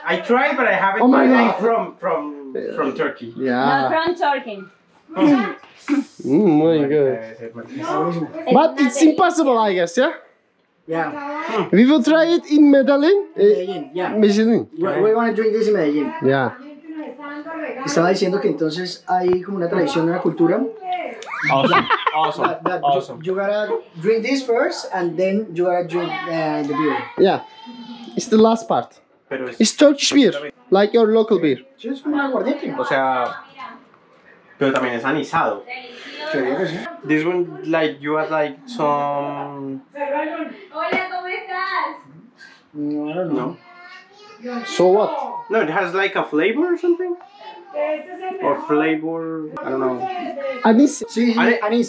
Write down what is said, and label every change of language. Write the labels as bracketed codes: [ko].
[en] I tried, but I haven't tried from Turkey. Yeah. Not from Turkey. Oh my God. No. But it's impossible, I guess, yeah? Yeah. We will try it in Medellin. Medellin, yeah. Medellin. We want to drink this in Medellin. Yeah. [es] Estaba diciendo que entonces hay como una tradición, una cultura. [en] Awesome, awesome, awesome. You gotta drink this first, and then you gotta drink the beer. Yeah, it's the last part. It's Turkish beer, like your local beer. [es] Just un aguardiente. O sea, pero también es anisado. [en] This one, like, you have like some... [es] Hola, ¿cómo estás? [en] No, so what? No, it has like a flavor or something? Or flavor, I don't know. Anise. [es] Sí, sí.